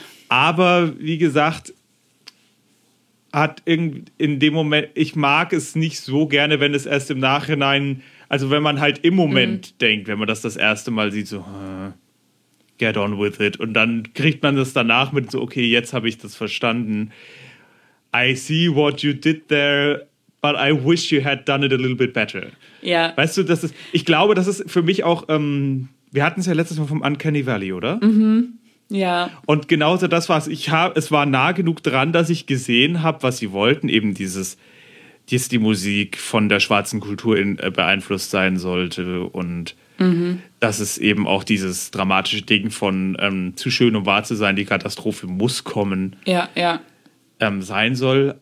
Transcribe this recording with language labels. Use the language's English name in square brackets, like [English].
[German] Aber wie gesagt, hat in dem Moment, ich mag es nicht so gerne, wenn es erst im Nachhinein, also wenn man halt im Moment denkt, wenn man das erste Mal sieht, so [English] get on with it. [German] Und dann kriegt man das danach mit so, okay, jetzt habe ich das verstanden. [English] I see what you did there, but I wish you had done it a little bit better. [German] Ja. Weißt du, ich glaube, das ist für mich auch, wir hatten es ja letztes Mal vom Uncanny Valley, oder? Mhm, ja. Und genauso das war es. Es war nah genug dran, dass ich gesehen habe, was sie wollten, eben dieses... dass die Musik von der schwarzen Kultur beeinflusst sein sollte und dass es eben auch dieses dramatische Ding von zu schön, um wahr zu sein, die Katastrophe muss kommen, sein soll.